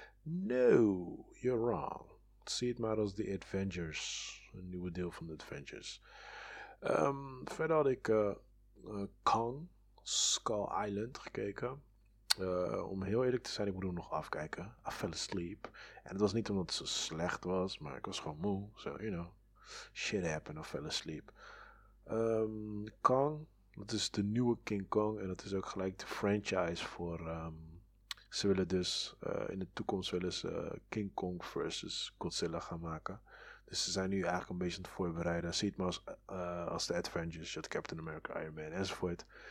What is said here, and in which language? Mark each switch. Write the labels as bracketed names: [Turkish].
[English] No, you're wrong. [Dutch] Zie het maar als The Avengers. Een nieuwe deel van The Avengers. Verder had ik Kong, Skull Island gekeken. Om heel eerlijk te zijn, ik moet hem nog afkijken. [English] I fell asleep. [Dutch] En het was niet omdat het zo slecht was, maar ik was gewoon moe. [English] So, you know, shit happened, I fell asleep. [Dutch] Kong, dat is de nieuwe King Kong. En dat is ook gelijk de franchise voor... ze willen dus in de toekomst willen ze King Kong versus Godzilla gaan maken. Dus ze zijn nu eigenlijk een beetje aan het voorbereiden. Zie het maar als de Avengers, Captain America, Iron Man enzovoort.